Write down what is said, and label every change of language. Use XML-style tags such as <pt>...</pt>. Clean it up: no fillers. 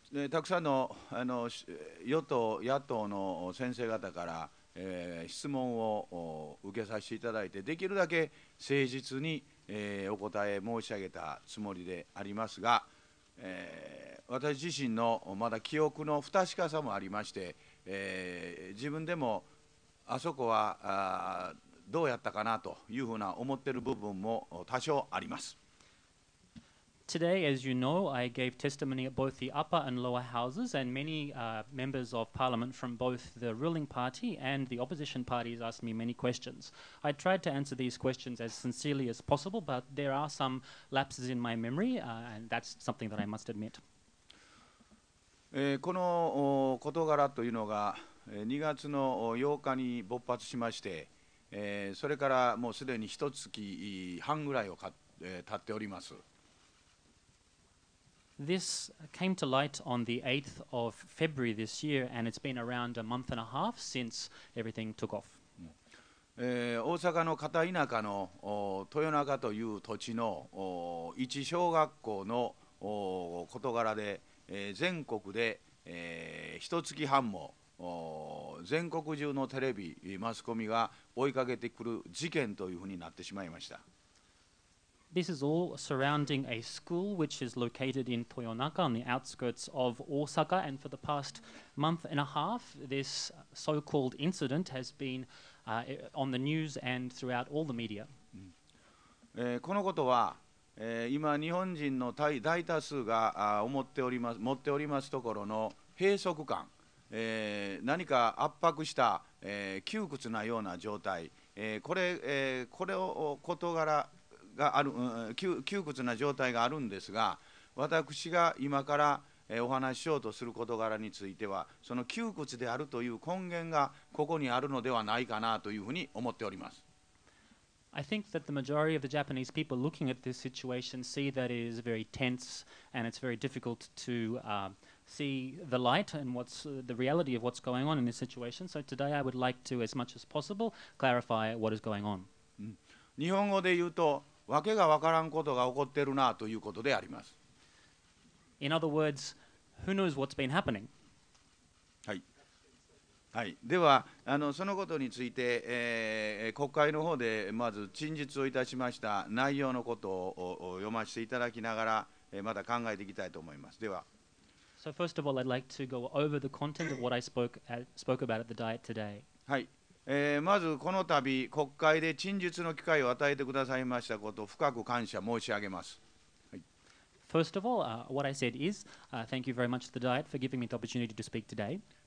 <ja>たくさん の与党野党の先生方から質問を受けさせていただいて、できるだけ誠実にお答え申し上げたつもりでありますが、私自身のまだ記憶の不確かさもありまして、自分でもあそこはどうやったかなというふうな思っている部分も多少あります。</ja> <en>Today, as you know, I gave testimony at both the upper and lower houses, and many members of parliament from both the ruling party and the opposition parties asked me many questions. I tried to answer these questions as sincerely as possible, but there are some lapses in my memory, and that's something that I must admit.</en> <ja>この事柄というのが2月の8日に勃発しまして、それからもうすでに一月半ぐらいを経っております。</ja> <en>This came to light on the 8th of February this year, and it's been around a month and a half since everything took off.</en> <ja>大阪の片田舎の豊中という土地の一小学校の事柄で、全国で一月半も全国中のテレビ、マスコミが追いかけてくる事件というふうになってしまいました。</ja> <en>This is all surrounding a school which is located in Toyonaka on the outskirts of Osaka. And for the past month and a half, this so-called incident has been on the news and throughout all the media.</en> <ja>このことは、今日本人の大多数が持っておりますところの閉塞感、何か圧迫した、窮屈なような状態、これを事柄がある、窮屈な状態があるんですが、私が今からお話ししようとする事柄については、その窮屈であるという根源がここにあるのではないかなというふうに思っております。</ja> <en>I think that the majority of the Japanese people looking at this situation see that it is very tense and it's very difficult to see the light and what's the reality of what's going on in this situation. So today I would like to as much as possible clarify what is going on.</en> <ja>日本語で言うと、わけがわからんことが起こってるなということであります。</ja> <en>In other words, who knows what's been happening?</en> <ja>はい。はい。では、そのことについて、国会の方でまず陳述をいたしました内容のことを読ませていただきながら、また考えていきたいと思います。では。</ja> <en>So first of all, I'd like to go over the content of what I spoke about at the Diet today.</en> <ja>はい。まずこの度国会で陳述の機会を与えてくださいましたこと、深く感謝申し上げます。</ja> <en>First of all, what I said is, thank you very much to the Diet for giving me the opportunity to speak today.</en>